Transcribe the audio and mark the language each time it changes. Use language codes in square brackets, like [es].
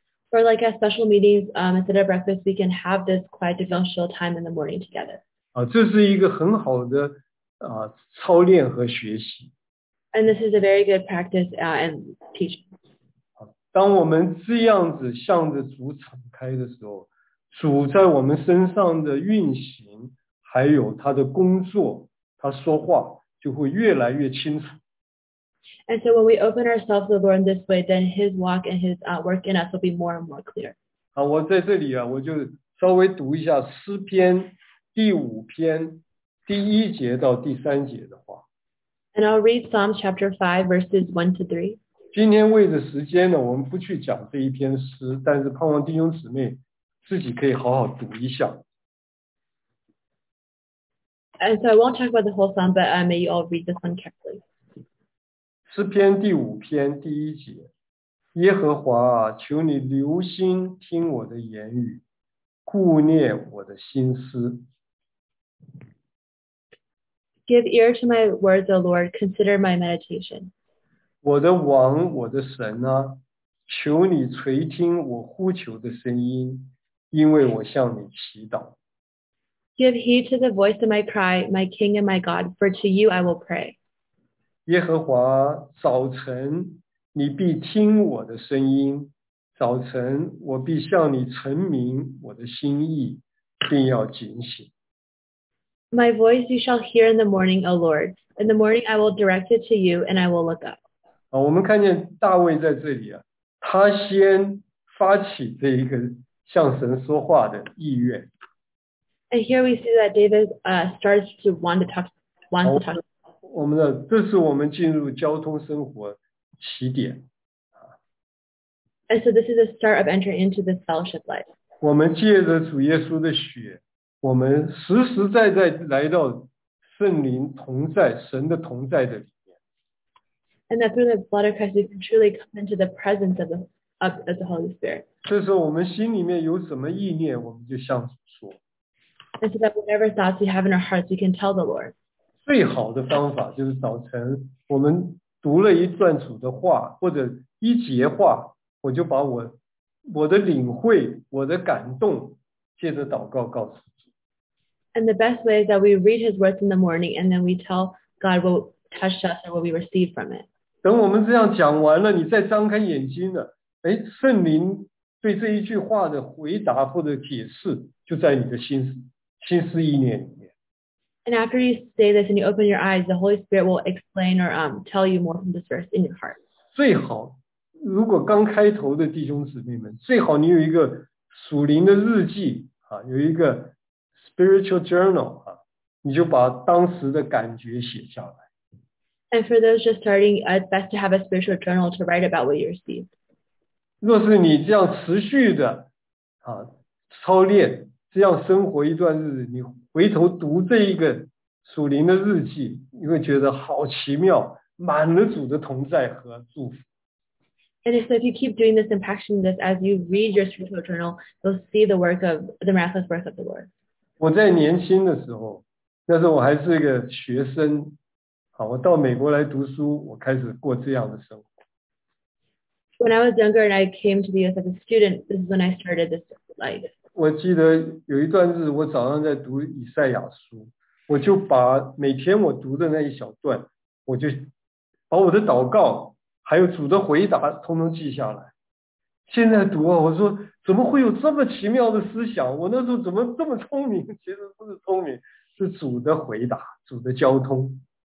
[en] For like at special meetings, instead of breakfast, we can have this quiet devotional time in the morning together. [zh] 啊，这是一个很好的啊操练和学习。 [en] And this is a very good practice and teaching. [zh] 当我们这样子向着主敞开的时候，主在我们身上的运行，还有他的工作，他说话就会越来越清楚。 [en] And so when we open ourselves to the Lord in this way, then His walk and His work in us will be more and more clear. [zh] 好，我在这里啊，我就稍微读一下诗篇第五篇第一节到第三节的话。 [en] And I'll read Psalms chapter 5 verses 1 to 3. [zh] 今天为着时间呢，我们不去讲这一篇诗，但是盼望弟兄姊妹自己可以好好读一下。 [en] And so I won't talk about the whole psalm, but may you all read this one carefully. [zh] 诗篇第五篇第一节，耶和华啊，求你留心听我的言语，顾念我的心思。 [en] Give ear to my words, O Lord, consider my meditation. [zh] 我的王，我的神啊，求你垂听我呼求的声音，因为我向你祈祷。 [en] Give heed to the voice of my cry, my King and my God, for to you I will pray. [zh] 耶和华，早晨你必听我的声音，早晨我必向你陈明我的心意，并要警醒。 [en] My voice you shall hear in the morning, O Lord. In the morning I will direct it to you and I will look up. [zh] 我们看见大卫在这里啊，他先发起这一个向神说话的意愿。 [en] And here we see that David starts to want to talk. [zh] 我们的这是我们进入交通生活起点。 [en] And so this is the start of entering into this fellowship life. [zh] 我们借着主耶稣的血，我们实实在在来到圣灵同在、神的同在的里面。 [en] And that through the blood of Christ, we can truly come into the presence of the Holy Spirit. [zh] 这时候我们心里面有什么意念，我们就向主说。 [en] And so that whatever thoughts we have in our hearts, we can tell the Lord. [zh] 最好的方法就是早晨我们读了一段主的话或者一节话，我就把我的领会、我的感动借着祷告告诉主。 [en] And the best way is that we read His words in the morning, and then we tell God what touched us or what we received from it. [zh] 等我们这样讲完了，你再张开眼睛了，哎，圣灵对这一句话的回答或者解释就在你的心思意念里面。 [en] And after you say this and you open your eyes, the Holy Spirit will explain or tell you more from this verse in your heart. [zh] 最好，如果刚开头的弟兄姊妹们，最好你有一个属灵的日记啊，有一个 [en] spiritual journal [zh] 啊，你就把当时的感觉写下来。 [en] And for those just starting, it's best to have a spiritual journal to write about what you received. [zh] 若是你这样持续的啊操练，这样生活一段日子，你回头读这一个属灵的日记，你会觉得好奇妙，满了主的同在和祝福。 [en] And so if you keep doing this and practicing this as you read your spiritual journal, you'll see the work of the miraculous work of the Lord. [zh] 我在年轻的时候，那时候我还是一个学生，好，我到美国来读书，我开始过这样的生活。 [en] When I was younger and I came to the US as a student, this is when I started this life. [zh] 我记得有一段日，我早上在读以赛亚书，我就把每天我读的那一小段，我就把我的祷告还有主的回答通通记下来。现在读啊，我说怎么会有这么奇妙的思想，我那时候怎么这么聪明，其实不是聪明，是主的回答，主的交通。